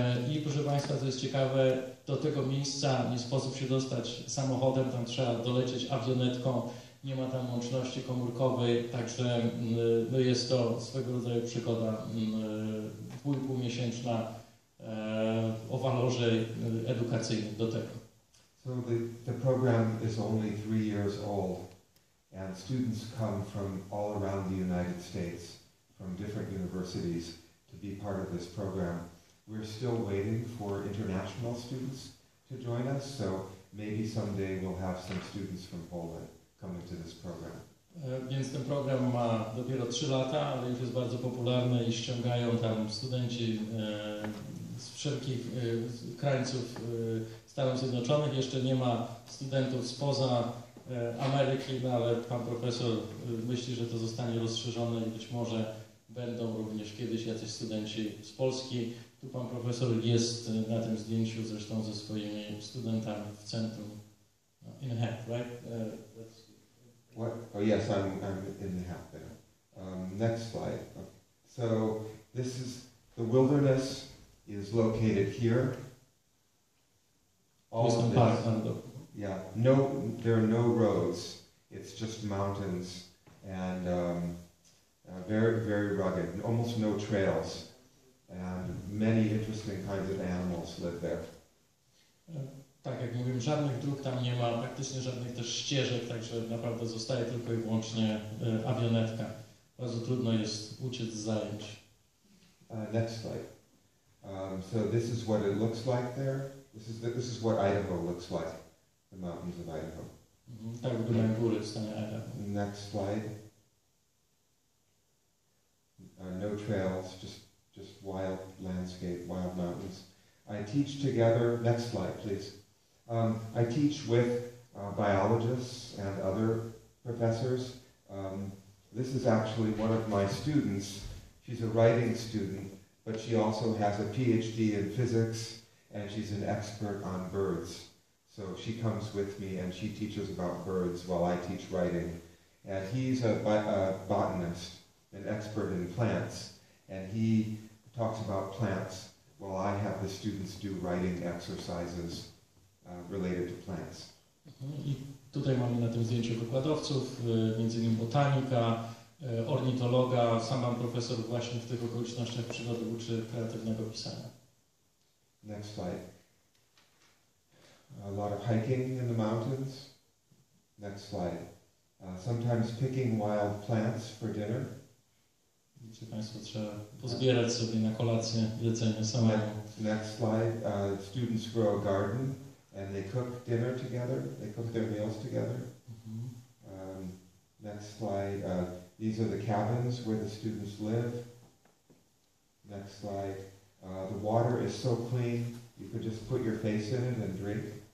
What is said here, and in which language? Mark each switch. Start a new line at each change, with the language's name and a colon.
Polish: I proszę Państwa, to jest ciekawe, do tego miejsca nie sposób się dostać samochodem, tam trzeba dolecieć awionetką, nie ma tam łączności komórkowej, także no jest to swego rodzaju przygoda, 2,5-miesięczna o walorze edukacyjnym do tego.
English: So the program is only 3 years old and students come from all around the United States, from different universities to be part of this program. We're still waiting for international students to join us, so maybe someday we'll have some students from Poland coming to this program.
Polish: Więc ten program ma dopiero 3 lata, ale już jest bardzo popularny i ściągają tam studenci z wszelkich krańców Stanów Zjednoczonych. Jeszcze nie ma studentów spoza Ameryki, no ale pan profesor myśli, że to zostanie rozszerzone i być może będą również kiedyś jacyś studenci z Polski. Tu pan profesor jest na tym zdjęciu zresztą ze swoimi studentami w centrum.
English: In the half, right? Let's see. What? Oh yes, I'm in the half there. Next slide. Okay. So this is the wilderness is located here. All of this, yeah. No, there are no roads. It's just mountains and very, very rugged. Almost no trails. And many interesting kinds of animals live there.
Polish: Tak jak mówiłem, żadnych dróg tam nie ma, praktycznie żadnych też ścieżek, także naprawdę zostaje tylko i wyłącznie awionetka. Bardzo trudno jest uciec z zajęć.
English: Next slide. So this is what it looks like there. This is what Idaho looks like. The mountains of Idaho.
Polish: Tak wyglądają góry w stanie Idaho.
English: Next slide. No trails, just wild landscape, wild mountains. I teach together, next slide please. I teach with biologists and other professors. This is actually one of my students. She's a writing student, but she also has a PhD in physics and she's an expert on birds. So she comes with me and she teaches about birds while I teach writing. And he's a botanist, an expert in plants, and he talks about plants while I have the students do writing exercises related to plants.
Polish: I tutaj mamy na tym zdjęciu wykładowców, między innymi botanika, ornitologa, sam pan profesor właśnie w tych okolicznościach przygody uczy kreatywnego pisania.
English: Next slide. A lot of hiking in the mountains. Next slide. Sometimes picking wild plants for dinner.
Polish: Widzicie Państwo, trzeba pozbierać sobie na kolację jedzenie samemu.
English: Next slide. Students grow a garden. And they cook dinner together, they cook their meals together. Mm-hmm. Next slide, these are the cabins where the students live. Next slide, the water is so clean, you could just put your face in it and drink.